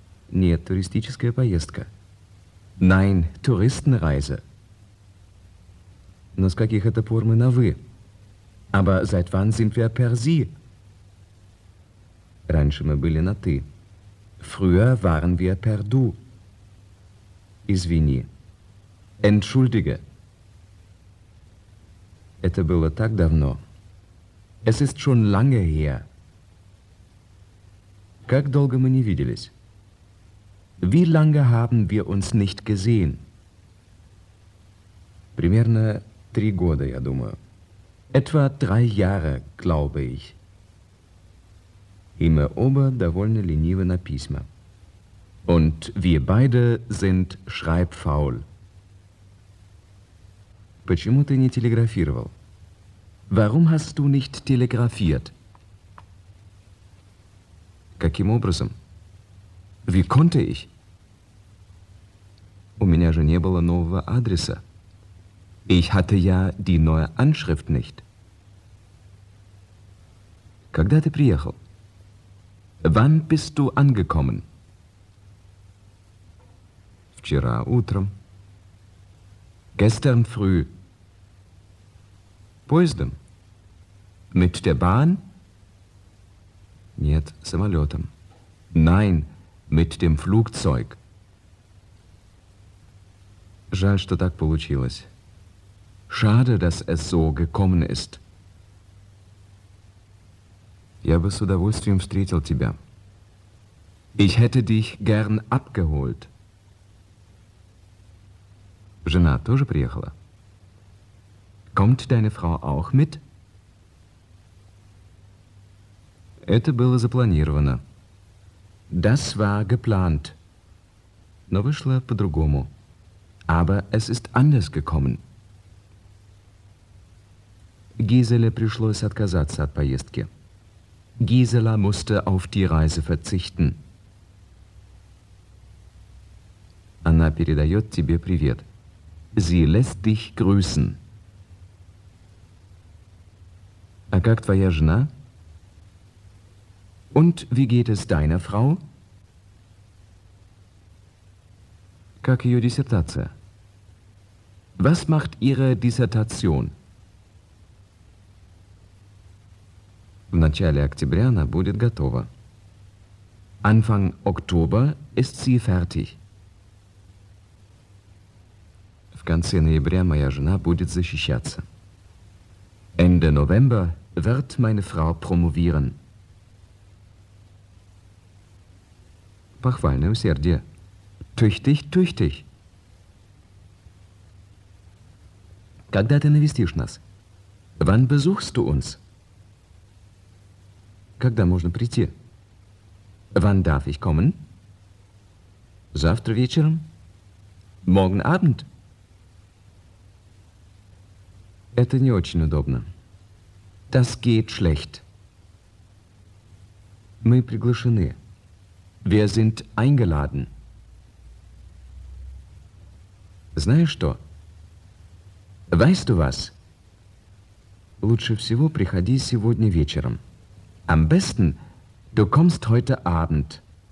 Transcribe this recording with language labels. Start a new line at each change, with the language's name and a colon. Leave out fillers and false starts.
Russian: Нет, туристическая поездка.
German: Nein, Touristenreise.
Russian: Но с каких это пор мы на «вы»?
German: Aber seit wann sind wir per «Sie»?
Russian: Раньше мы были на «ты».
German: Früher waren wir per «du».
Russian: Извини.
German: Entschuldige.
Russian: Это было так давно.
German: Es ist schon lange her.
Russian: Как долго мы не виделись?
German: Wie lange haben wir uns nicht gesehen?
Russian: Примерно три года, я думаю.
German: Etwa drei Jahre, glaube ich.
Russian: Immer оба довольно ленивы на письма.
German: Und wir beide sind schreibfaul.
Russian: Почему ты не телеграфировал?
German: Warum hast du nicht telegrafiert?
Russian: Каким образом?
German: Wie konnte ich?
Russian: У меня же не было нового адреса.
German: Ich hatte ja die neue Anschrift nicht.
Russian: Когда ты приехал?
German: Wann bist du angekommen?
Russian: Вчера утром.
German: Gestern früh.
Russian: Поездом?
German: Mit der Bahn?
Russian: Нет, самолетом.
German: Nein, mit dem Flugzeug.
Russian: Жаль, что так получилось.
German: Schade, dass es so gekommen ist.
Russian: Я бы с удовольствием встретил тебя.
German: Ich hätte dich gern abgeholt.
Russian: Жена тоже приехала?
German: Kommt deine Frau auch mit?
Russian: Это было запланировано.
German: Das war geplant.
Russian: Но вышло по-другому.
German: Aber es ist anders gekommen.
Russian: Gisela пришлось отказаться от поездки.
German: Gisela musste auf die Reise verzichten.
Russian: Она передает тебе привет.
German: Sie lässt dich grüßen.
Russian: А как твоя жена?
German: Und wie geht es deiner Frau?
Russian: Как ее диссертация?
German: Was macht Ihre Dissertation?
Russian: В начале октября она будет готова.
German: Anfang Oktober ist sie fertig.
Russian: В конце ноября моя жена будет защищаться.
German: Ende November wird meine Frau promovieren.
Russian: Похвальное усердие.
German: Tüchtig, tüchtig.
Russian: Когда ты навестишь нас?
German: Wann besuchst du uns?
Russian: Когда можно прийти?
German: Wann darf ich kommen?
Russian: Завтра вечером?
German: Morgen Abend?
Russian: Это не очень удобно.
German: Das geht schlecht.
Russian: Мы приглашены.
German: Wir sind eingeladen.
Russian: Знаешь что?
German: Weißt du was?
Russian: Лучше всего приходи сегодня вечером.
German: Am besten, du kommst heute Abend.